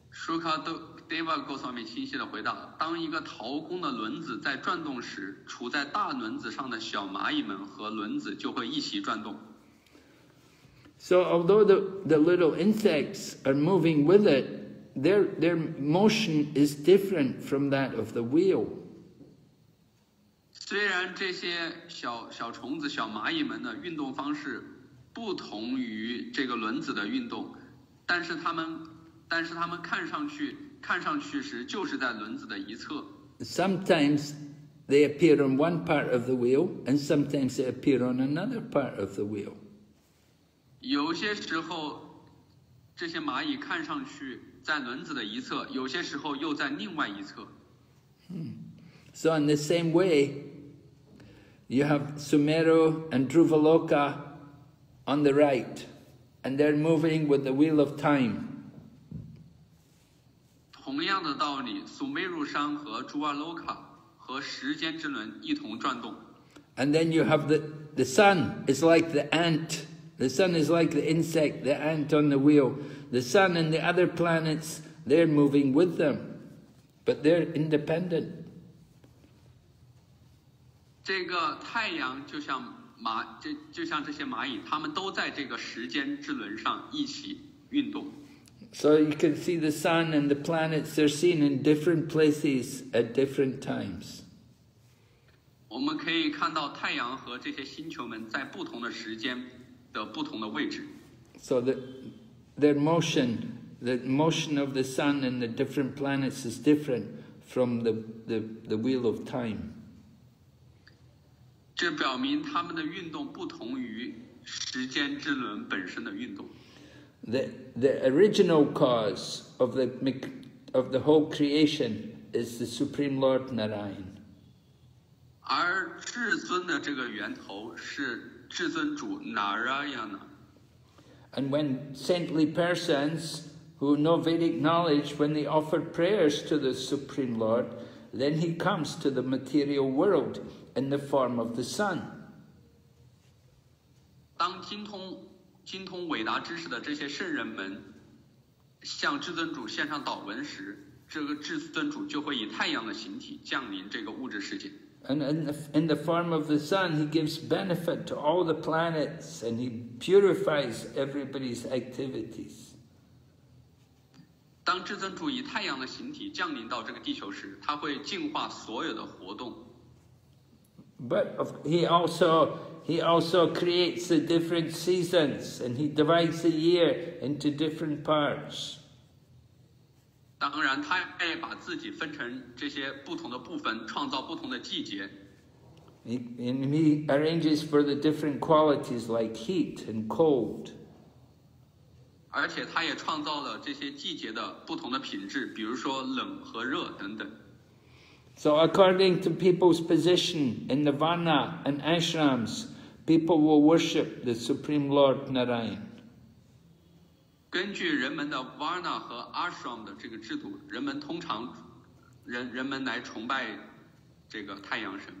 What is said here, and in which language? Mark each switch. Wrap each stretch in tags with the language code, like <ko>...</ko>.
<zh>Sukadeva Goswami 清晰地回答：当一个陶工的轮子在转动时，处在大轮子上的小蚂蚁们和轮子就会一起转动。</zh> <en>So although the little insects are moving with it. Their motion is different from that of the wheel.</en> <zh>虽然这些小虫子、小蚂蚁们的运动方式不同于这个轮子的运动，但是它们看上去时就是在轮子的一侧。</zh> <en>Sometimes they appear on one part of the wheel, and sometimes they appear on another part of the wheel.</en> <zh>有些时候。这些蚂蚁看上去在轮子的一侧，有些时候又在另外一侧。</zh> <en>So in the same way, you have Sumeru and Dhruvaloka on the right, and they're moving with the wheel of time.</en> <zh>同样的道理，苏梅鲁山和朱瓦洛卡和时间之轮一同转动。</zh> <en>And then you have the sun is like the ant. The sun is like the insect, the ant on the wheel. The sun and the other planets, they're moving with them, but they're independent.</en> <zh>这个太阳就像这些蚂蚁，它们都在这个时间之轮上一起运动。</zh> <en>So you can see the sun and the planets, they're seen in different places at different times.</en> <zh>我们可以看到太阳和这些星球们在不同的时间的不同的位置。</zh> <en>So the motion of the sun and the different planets is different from the wheel of time.</en> <zh>这表明它们的运动不同于时间之轮本身的运动。</zh> <en>The original cause of the whole creation is the Supreme Lord Narayan.</en> <zh>而至尊的这个源头是至尊主 Narayana.</zh> <en>And when saintly persons who know Vedic knowledge, when they offer prayers to the Supreme Lord, then he comes to the material world in the form of the sun.</en> <zh>当精通伟达知识的这些圣人们向至尊主献上祷文时，这个至尊主就会以太阳的形体降临这个物质世界。</zh> <en>And in the form of the sun, he gives benefit to all the planets, and he purifies everybody's activities.</en> <zh>当至尊主以太阳的形体降临到这个地球时，他会净化所有的活动。</zh> <en>But he also creates the different seasons, and he divides the year into different parts.</en> <zh>当然，他也把自己分成这些不同的部分，创造不同的季节。</zh> <en>He arranges for the different qualities like heat and cold.</en> <zh>而且他也创造了这些季节的不同的品质，比如说冷和热等等。</zh> <en>So according to people's position in the Vana and Ashrams, people will worship the Supreme Lord Narayan.</en> <zh>根据人们的 Vana 和 Ashram 的这个制度，人们来崇拜这个太阳神。</zh>